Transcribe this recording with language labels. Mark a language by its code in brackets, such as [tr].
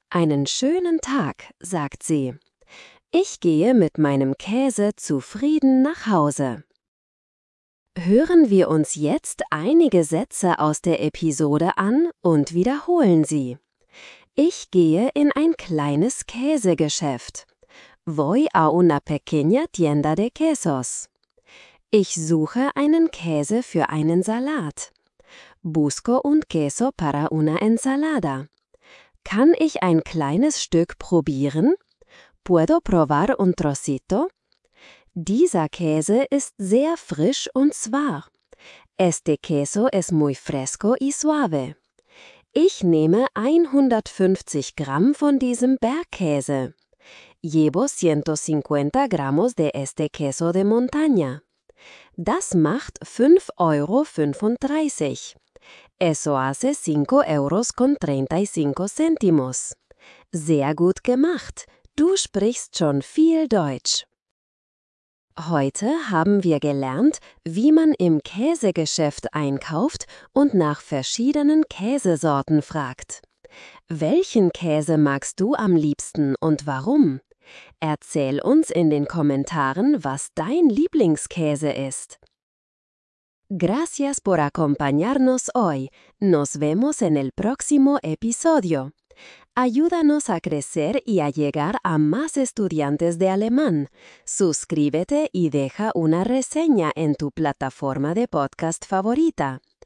[de] Einen schönen Tag, sagt sie. Ich gehe mit meinem Käse zufrieden nach Hause. Hören wir uns jetzt einige Sätze aus der Episode an und wiederholen sie. Ich gehe in ein kleines Käsegeschäft. [es] Voy a una pequeña tienda de quesos. [de] Ich suche einen Käse für einen Salat. [es] Busco un queso para una ensalada. [de] Kann ich ein kleines Stück probieren? [es] Puedo probar un trocito? [de] Dieser Käse ist sehr frisch und zwar. [es] Este queso es muy fresco y suave. [de] Ich nehme 150 Gramm von diesem Bergkäse. [es] Llevo 150 gramos de este queso de montaña. [de] Das macht 5,35 Euro. [es] Eso hace 5 euros con 35 céntimos. [de] Sehr gut gemacht. Du sprichst schon viel Deutsch. Heute haben wir gelernt, wie man im Käsegeschäft einkauft und nach verschiedenen Käsesorten fragt. Welchen Käse magst du am liebsten und warum? Erzähl uns in den Kommentaren, was dein Lieblingskäse ist. [es] Gracias por acompañarnos hoy. Nos vemos en el próximo episodio. Ayúdanos a crecer y a llegar a más estudiantes de alemán. Suscríbete y deja una reseña en tu plataforma de podcast favorita.